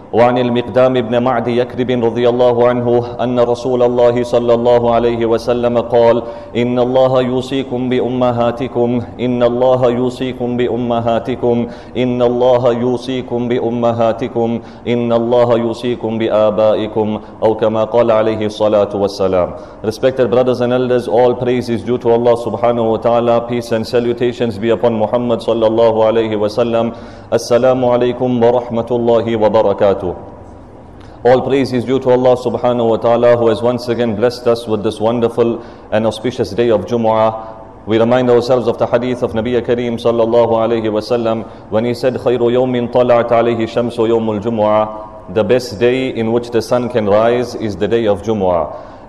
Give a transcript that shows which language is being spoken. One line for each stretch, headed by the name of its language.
Arabic: وعن المقدام بن معد يكرب رضي الله عنه أن رسول الله صلى الله عليه وسلم قال: إن الله يوصيكم بأمهاتكم، إن الله يوصيكم بأمهاتكم، إن الله يوصيكم بأمهاتكم، إن الله يوصيكم بآبائكم، أو كما قال عليه الصلاة والسلام.
English: Respected brothers and elders, all praise is due to Allah subhanahu wa ta'ala. Peace and salutations be upon Muhammad
Arabic: صلى الله عليه وسلم. السلام عليكم ورحمة الله وبركاته.
English: All praise is due to Allah subhanahu wa ta'ala, who has once again blessed us with this wonderful and auspicious day of Jumu'ah. We remind ourselves of the hadith of Nabiya Kareem sallallahu alayhi wa sallam, when he said:
Arabic: خَيْرُ يَوْمٍ طَلَعْتَ عَلَيْهِ شَمْسُ يَوْمُ الْجُمُعَةِ.
English: The best day in which the sun can rise is the day of Jumu'ah.